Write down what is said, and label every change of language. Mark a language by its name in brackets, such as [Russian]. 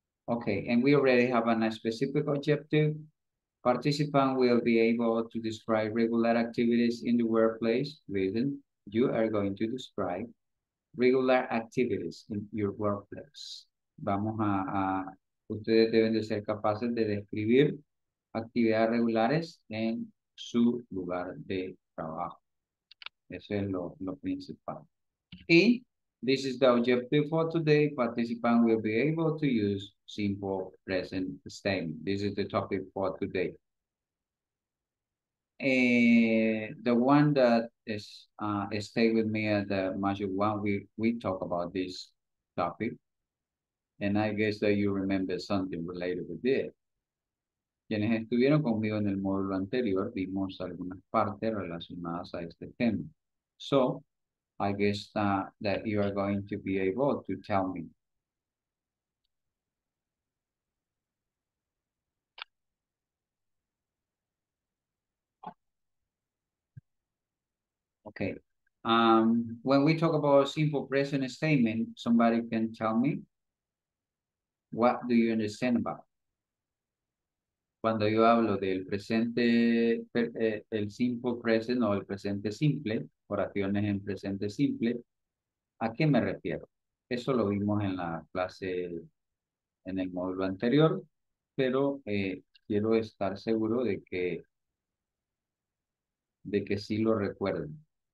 [English] Okay, and we already have a specific objective. Participants will be able to describe regular activities in the workplace. Listen, you are going to describe regular activities in your workplace. [Spanish] Vamos a ustedes deben de ser capaces de describir actividades regulares en su lugar de trabajo. Eso es lo principal. Y [English] this is the objective for today. Participants will be able to use simple present statement. This is the topic for today. The one that is stay with me at the module one, we talk about this topic. And I guess that you remember something related with it. [Spanish] Quienes estuvieron conmigo en el módulo anterior, vimos algunas partes relacionadas a este tema. [English] So, I guess that you are going to be able to tell me. Okay. When we talk about simple present statement, somebody can tell me, what do you understand about? [Spanish] Cuando yo hablo del presente, el simple present o el presente simple, oraciones en presente simple, ¿a qué me refiero? Eso lo vimos en la clase, en el módulo anterior, pero quiero estar seguro de que sí lo recuerden.